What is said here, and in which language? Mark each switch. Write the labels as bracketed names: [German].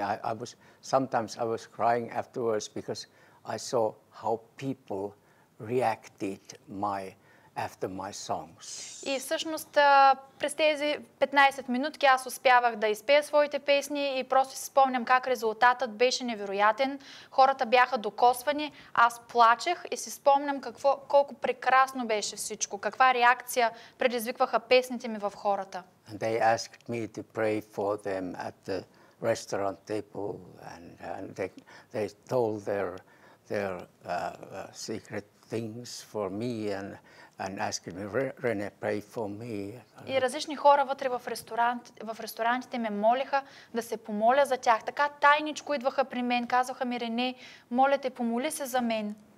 [English] I was sometimes crying afterwards because I saw how people reacted my after my songs. [Bulgarian] И всъщност през тези 15 минутки аз успявах да изпея своите песни и просто си спомням как резултатът беше невероятен. Хората бяха докосвани, аз плачех и си спомням какво, колко прекрасно беше всичко, каква реакция предизвикваха песните ми в хората. [English] And they asked me to pray for them at the restaurant table and they told their secret things for me and asked me, Rene, pray for me. [Bulgarian] И различни хора вътре в ресторантите ме молиха да се помоля за тях. Така тайничко идваха при мен, казваха ми, Рене, моля те, помоли се за мен.